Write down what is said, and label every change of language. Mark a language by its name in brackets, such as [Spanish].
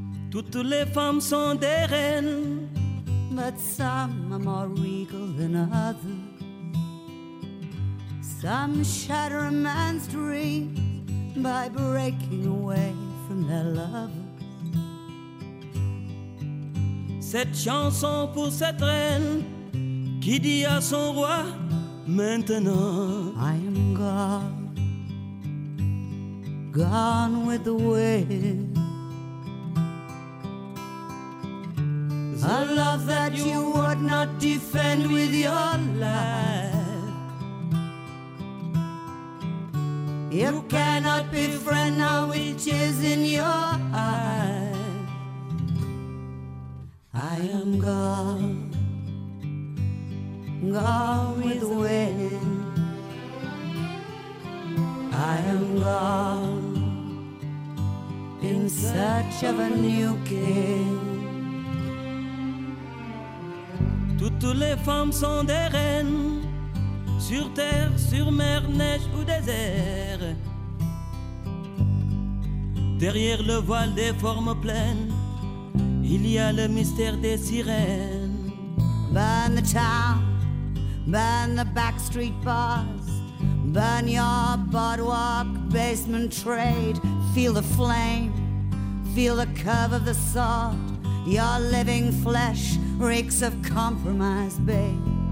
[French] Toutes les femmes sont des reines. [English] But some are more regal than others. Some shatter a man's dreams by breaking away from their lovers. [French] Cette chanson pour cette reine qui dit à son roi maintenant. [English] I am gone, gone with the wind. A love that you would not defend with your life. You cannot befriend now which is in your eyes. I am gone, gone with the wind. I am gone in search of a new king. [French] Toutes les femmes sont des reines, sur terre, sur mer, neige ou désert. Derrière le voile des formes pleines, il y a le mystère des sirènes. [English] Burn the town, burn the back street bars, burn your boardwalk, basement trade. Feel the flame, feel the curve of the sword. Your living flesh reeks of compromise, babe.